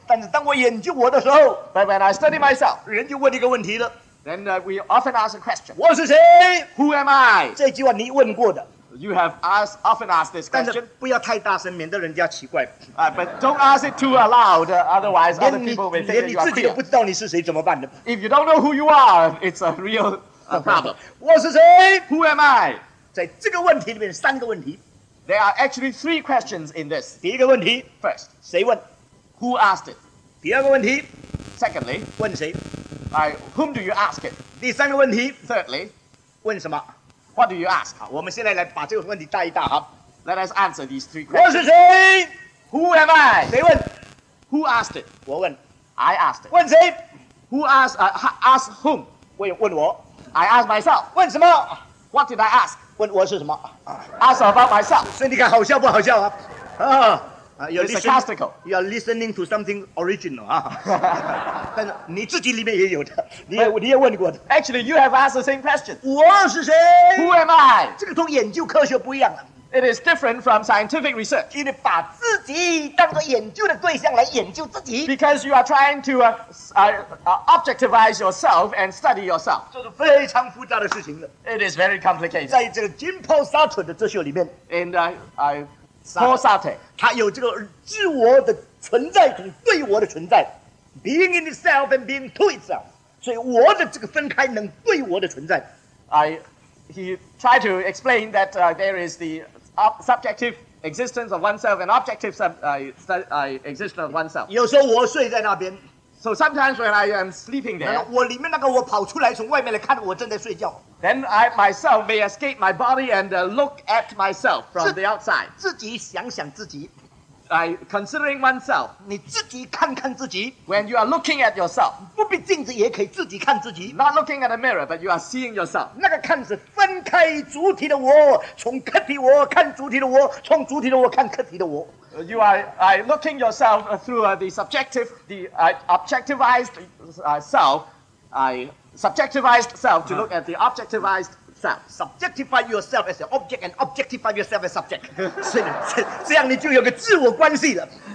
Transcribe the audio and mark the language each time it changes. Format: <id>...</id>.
<zh>但是当我研究我的时候</zh> <en>But when I study myself,</en> <zh>人就问一个问题了</zh> <en>Then we often ask a question.</en> <zh>我是谁</zh> <en>Who am I?</en> <zh>这句话你问过的</zh> <en>You have often asked this question.</en> <zh>但是不要太大声，免得人家奇怪</zh> <en>But don't ask it too loud, otherwise other people will think you are queer.</en> <zh>连你自己都不知道你是谁，怎么办呢</zh> <en>If you don't know who you are, it's a real problem.</en> <zh>我是谁</zh> <en>Who am I?</en> <zh>在这个问题里面三个问题</zh> <en>There are actually three questions in this.</en> <zh>第一个问题</zh> <en>First,</en> <zh>谁问</zh> <en>Who asked it?</en> <zh>第二个问题</zh> <en>Secondly,</en> <zh>问谁</zh> <en>Whom do you ask it?</en> <zh>第三个问题</zh> <en>Thirdly,</en> <zh>问什么</zh> <en>What do you ask?</en> <zh>好，我们现在来把这个问题带一带哈。</zh> <en>Let us answer these three questions.</en> <zh>我是谁</zh> <en>Who am I?</en> <zh>谁问</zh> <en>Who asked it?</en> <zh>我问</zh> <en>I asked it.</en> <zh>问谁</zh> <en>Who asked whom?</en> <zh>问我</zh> <en>I asked myself.</en> <zh>问什么</zh> <en>What did I ask?</en> <zh>问我是什么</zh> <en>？Ask about myself。</en> <zh>所以你看好笑不好笑啊？</zh> <en>You're sarcastical. You are listening to something original 啊。</en> <zh>但是你自己里面也有的，你也问过的。</zh> <en>Actually, you have asked the same question.</en> <zh>我是谁</zh> <en>？Who am I?</en> <zh>这个同研究科学不一样了。</zh> <en>It is different from scientific research.</en> <zh>因为把自己当作研究的对象来研究自己。</zh> <en>Because you are trying to objectivize yourself and study yourself.</en> <zh>这是非常复杂的事情了。</zh> <en>It is very complicated.</en> <zh>在这个 Jean Paul Sartre 的哲学里面</zh> <en>，In Paul Sartre,</en> <zh>他有这个自我的存在跟对我的存在 ，</zh> <en>being in itself and being to itself.</en> <zh>所以我的这个分开能对我的存在。</zh> <en>he tried to explain that there is the subjective existence of oneself and objective existence of oneself.</en> <zh>有时候我睡在那边,</zh> <en>so sometimes when I am sleeping there,</en> <zh>我里面那个我跑出来从外面来看我正在睡觉,</zh> <en>then I myself may escape my body and look at myself from the outside.</en> <zh>自己想想自己,</zh> <en>Considering oneself,</en> <zh>你自己看看自己,</zh> <en>when you are looking at yourself,</en> <zh>不比镜子也可以自己看自己,</zh> <en>not looking at a mirror, but you are seeing yourself.</en> <zh>那个看是分开主体的我, 从客体我, 看主体的我, 从主体的我, 看客体的我,</zh> <en>you are looking yourself through the subjective, the objectivized self, subjectivized self, to look at the objectivized self. Subjectify yourself as an object and objectify yourself as subject.</en> <zh>这样你就有个自我关系了。</zh>